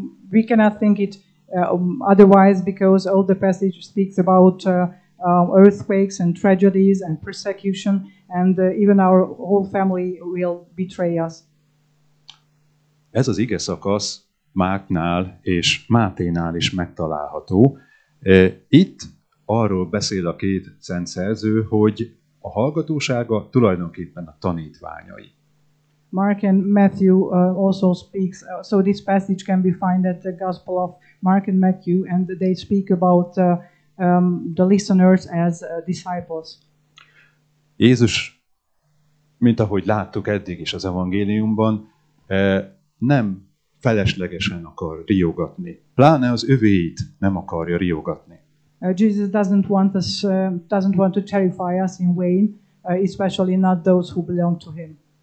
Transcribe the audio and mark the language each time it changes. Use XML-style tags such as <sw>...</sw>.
<en>We cannot think it otherwise, because all the passage speaks about earthquakes and tragedies and persecution, and even our whole family will betray us.</en> <hu>Ez az ige szakasz Márknál és Máténál is megtalálható. Itt arról beszél a két szent szerző, hogy a hallgatósága tulajdonképpen a tanítványai.</hu> <en>Mark and Matthew also speaks, so this passage can be found at the Gospel of Mark and Matthew, and they speak about the listeners as disciples.</en> <hu>Jézus, mint ahogy láttuk eddig is az evangéliumban, nem feleslegesen akar riogatni. Pláne az övéit nem akarja riogatni.</hu> <en>Jesus doesn't want to terrify us in vain, especially not those who belong to him.</en>